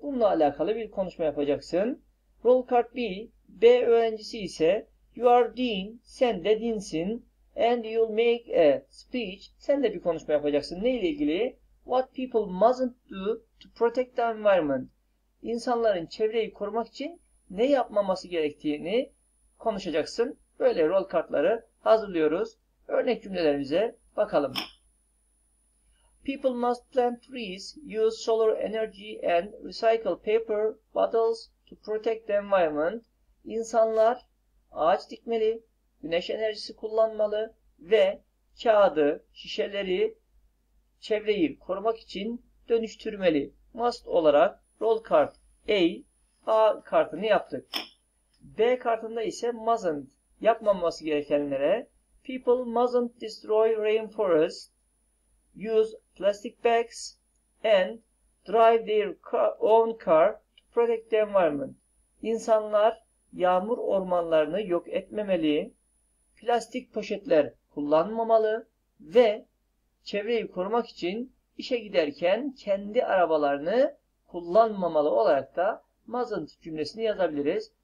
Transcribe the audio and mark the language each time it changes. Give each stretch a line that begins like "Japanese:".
Turkish: Bununla alakalı bir konuşma yapacaksın.
English: Roll card B,
Turkish: B öğrencisi ise
English: you are Dean,
Turkish: sen de Dean'sin
English: and you'll make a speech.
Turkish: Sen de bir konuşma yapacaksın. Neyle ilgili?
English: What people mustn't do to protect the environment.
Turkish: İnsanların çevreyi korumak için ne yapmaması gerektiğini konuşacaksın. Böyle rol kartları hazırlıyoruz. Örnek cümlelerimize bakalım.
English: People must plant trees, use solar energy and recycle paper bottles to protect the environment.
Turkish: İnsanlar ağaç dikmeli, güneş enerjisi kullanmalı ve kağıdı, şişeleri çevreyi korumak için dönüştürmeli. Must olarak roll card A kartını yaptık. B kartında ise mustn't, yapmaması gerekenlere.
English: People mustn't destroy rainforest. Use plastic bags and drive their own car to protect the environment.
Turkish: İnsanlar yağmur ormanlarını yok etmemeli, plastik poşetler kullanmamalı ve çevreyi korumak için işe giderken kendi arabalarını kullanmamalı olarak da mustn't cümlesini yazabiliriz.